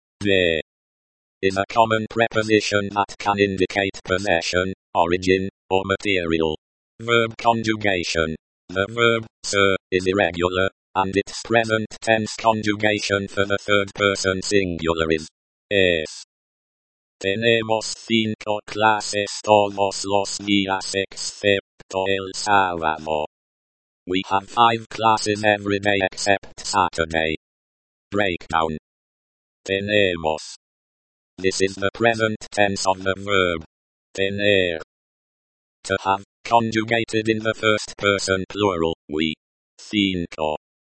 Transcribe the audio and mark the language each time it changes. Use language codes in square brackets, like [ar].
[en] De is a common preposition that can indicate possession, origin, or material. Verb conjugation. The verb ser is irregular, and its present tense conjugation for the third person singular is es. [es] Tenemos cinco clases todos los días excepto el sábado. [en] We have five classes every day except Saturday. Breakdown. Tenemos. This is the present tense of the verb tener. To have, conjugated in the first person plural, we. Cinco.